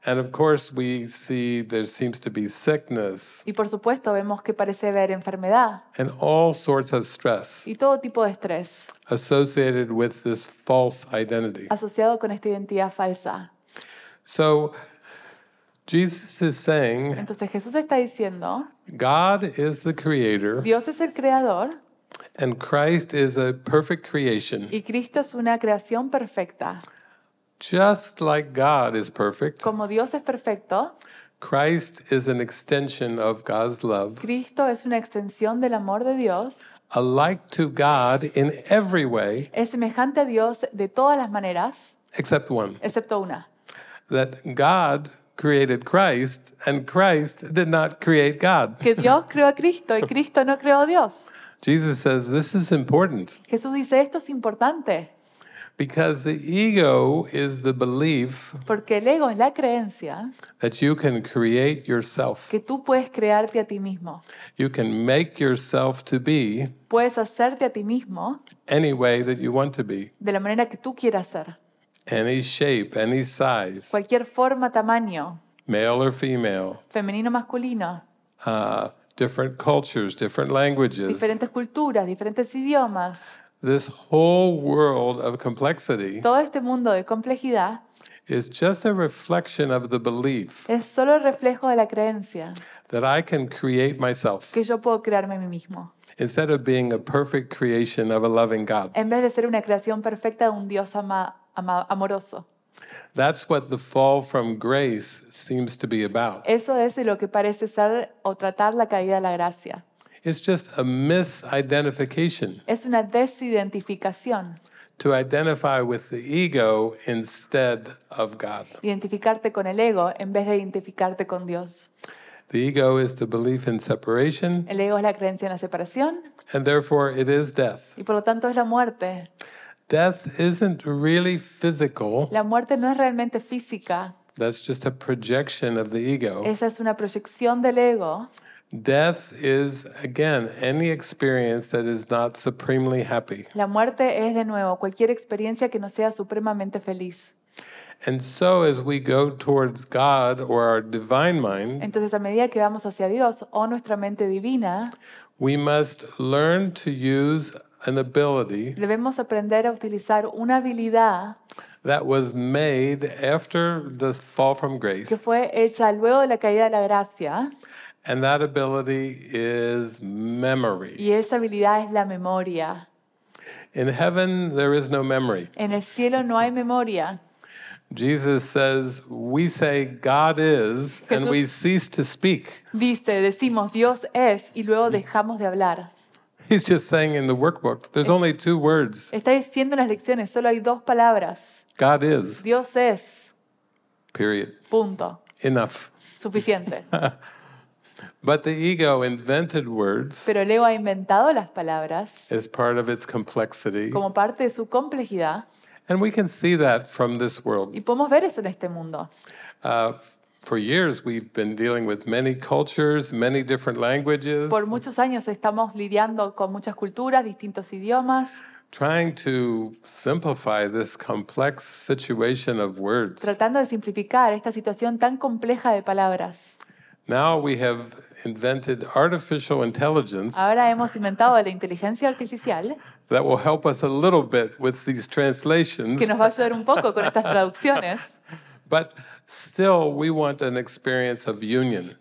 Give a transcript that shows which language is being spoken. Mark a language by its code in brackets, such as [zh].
[en] And of course we see there seems to be sickness. [es] Y por supuesto vemos que parece haber enfermedad. [en] And all sorts of stress. [es] Y todo tipo de estrés. [en] Associated with this false identity. [es] Asociado con esta identidad falsa. [en] So Jesus is saying [es] Entonces Jesús está diciendo [en] God is the creator [es] Dios es el creador [en] and Christ is a perfect creation [es] Y Cristo es una creación perfecta [en] Just like God is perfect [es] Como Dios es perfecto [en] Christ is an extension of God's love [es] Cristo es una extensión del amor de Dios [en] alike to God in every way [es] Es semejante a Dios de todas las maneras [en] except one [es] Excepto una [en] That God created Christ, and Christ did not create God. [es] Que Dios creó a Cristo y Cristo no creó a Dios. [en] Jesus says, this is important. [es] Jesús dice, esto es importante. [en] Because the ego is the belief, [es] porque el ego es la creencia, [en] that you can create yourself. [es] Que tú puedes crearte a ti mismo. [en] You can make yourself to be, [es] puedes hacerte a ti mismo, [en] any way that you want to be, [es] de la manera que tú quieras ser, [en] any shape, any size, [es] cualquier forma, tamaño, [en] male or female, [es] femenino, masculino, [en] different cultures, different languages, [es] diferentes culturas, diferentes idiomas. [en] This whole world of complexity, [es] todo este mundo de complejidad, [en] is just a reflection of the belief, [es] es solo reflejo de la creencia, [en] that I can create myself, [es] que yo puedo crearme a mí mismo, [en] instead of being a perfect creation of a loving God, [es] en vez de ser una creación perfecta de un Dios amoroso. [en] That's what the fall from grace seems to be about. [es] Eso es lo que parece ser o tratar la caída de la gracia. [en] It's just a misidentification. [es] Es una desidentificación. [en] To identify with the ego instead of God. [es] Identificarte con el ego en vez de identificarte con Dios. [en] The ego is the belief in separation. [es] El ego es la creencia en la separación. [en] And therefore it is death. [es] Y por lo tanto es la muerte. [en] Death isn't really physical. [es] La muerte no es realmente física. [en] That's just a projection of the ego. [es] Esa es una proyección del ego. [en] Death is, again, any experience that is not supremely happy. [es] La muerte es, de nuevo, cualquier experiencia que no sea supremamente feliz. [en] And so, as we go towards God or our divine mind, [es] entonces, a medida que vamos hacia Dios o nuestra mente divina, [en] we must learn to use an ability, [es] debemos aprender a utilizar una habilidad, [en] that was made after the fall from grace, [es] que fue hecha luego de la caída de la gracia, [en] and that ability is memory. [es] Y esa habilidad es la memoria. [en] In heaven, there is no memory. [es] En el cielo no hay memoria. [en] Jesus says, we say God is, [es] Jesús [en] and we cease to speak. [es] Dice, decimos Dios es, y luego dejamos de hablar. [en] He's just saying in the workbook, there's only two words. [es] Está diciendo en las lecciones, solo hay dos palabras. [en] God is. [es] Dios es. [en] Period. [es] Punto. [en] Enough. [es] Suficiente. [en] But the ego invented words. [es] Pero el ego ha inventado las palabras. [en] As part of its complexity. [es] Como parte de su complejidad. [en] And we can see that from this world. [es] Y podemos ver eso en este mundo. [en] For years we've been dealing with many cultures, many different languages. [es] Por muchos años estamos lidiando con muchas culturas, distintos idiomas. [en] Trying to simplify this complex situation of words. [es] Tratando de simplificar esta situación tan compleja de palabras. [en] Now we have invented artificial intelligence. [es] Ahora hemos inventado la inteligencia artificial. [en] That will help us a little bit with these translations. [es] Que nos va a ayudar un poco con estas traducciones. [en] But still, we want an experience of union.